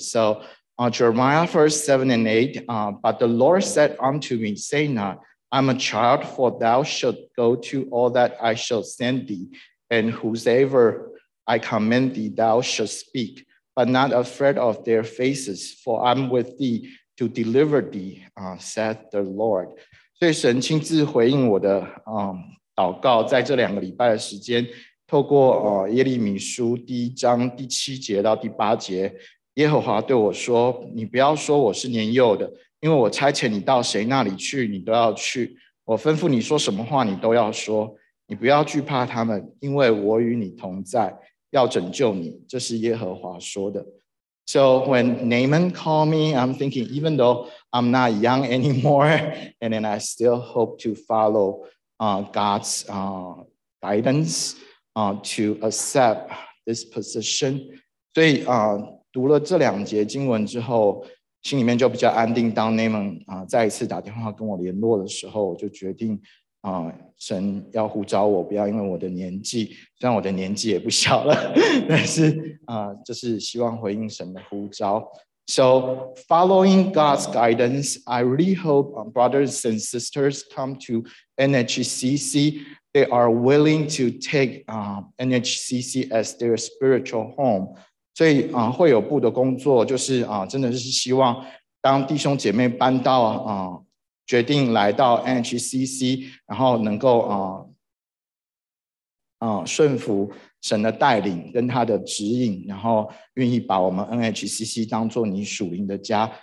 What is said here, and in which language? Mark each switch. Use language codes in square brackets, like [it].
[en] So Jeremiah 7-8, but the Lord said unto me, say not, I'm a child, for thou shalt go to all that I shall send thee, and whosoever I command thee, thou shalt speak, but not afraid of their faces, for I'm with thee to deliver thee, saith the Lord. [zh] 所以神亲自回应我的祷告，在这两个礼拜的时间，透过耶利米书第一章第七节到第八节，耶和华对我说，你不要说我是年幼的，因为我差遣你到谁那里去，你都要去。我吩咐你说什么话，你都要说。你不要惧怕他们，因为我与你同在，要拯救你。这是耶和华说的。 [en] So when Naaman called me, I'm thinking, even though I'm not young anymore, and then I still hope to follow God's guidance to accept this position. [zh] 所以读了这两节经文之后，心里面就比较安定。当 Naaman 再一次打电话跟我联络的时候，我就决定神要呼召我，不要因为我的年纪，虽然我的年纪也不小了，但是就是希望回应神的呼召。 [en] So following God's guidance, I really hope brothers and sisters come to NHCC. They are willing to take NHCC as their spiritual home. [zh] 所以会有部的工作就是真的是希望当弟兄姐妹搬到决定来到 NHCC， 然后能够顺服神的带领跟他的指引，然后愿意把我们 NHCC 当做你属灵的家。